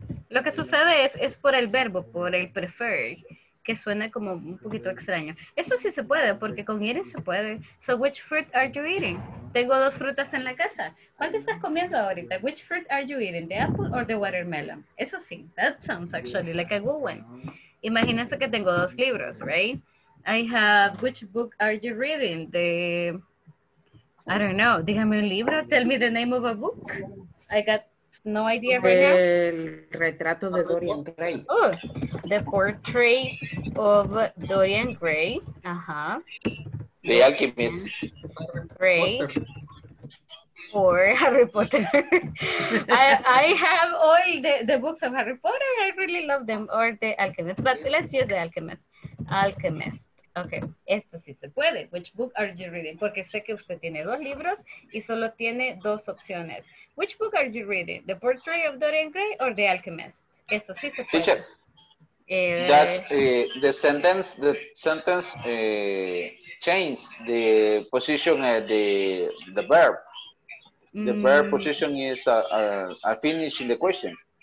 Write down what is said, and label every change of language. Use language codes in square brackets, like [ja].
[es] Lo que sucede es por el verbo, por el prefer, que suena como un poquito extraño. Esto sí se puede, porque con eating se puede. [en] So, which fruit are you eating? [es] Tengo dos frutas en la casa. ¿Cuál te estás comiendo ahorita? [en] Which fruit are you eating, the apple or the watermelon? [es] Eso sí, [en] that sounds actually like a good one. [es] Imagínense que tengo dos libros, [en] right? I have, which book are you reading? The, I don't know, [es] dígame un libro, [en] tell me the name of a book. I got no idea right now. [es] El retrato de Dorian Gray. [en] Oh, the portrait of Dorian Gray. Uh-huh. The Alchemist. Gray. Or Harry Potter. I have all the books of Harry Potter. I really love them. Or the Alchemist. But let's use the Alchemist. Alchemist. Okay, [es] esto sí se puede. [en] Which book are you reading? [es] Porque sé que usted tiene dos libros y solo tiene dos opciones. [en] Which book are you reading? The Portrait of Dorian Gray or The Alchemist? [es] Eso sí se puede. [en] Teacher, that's the sentence changes the position of the verb. The verb position is a finish in the question.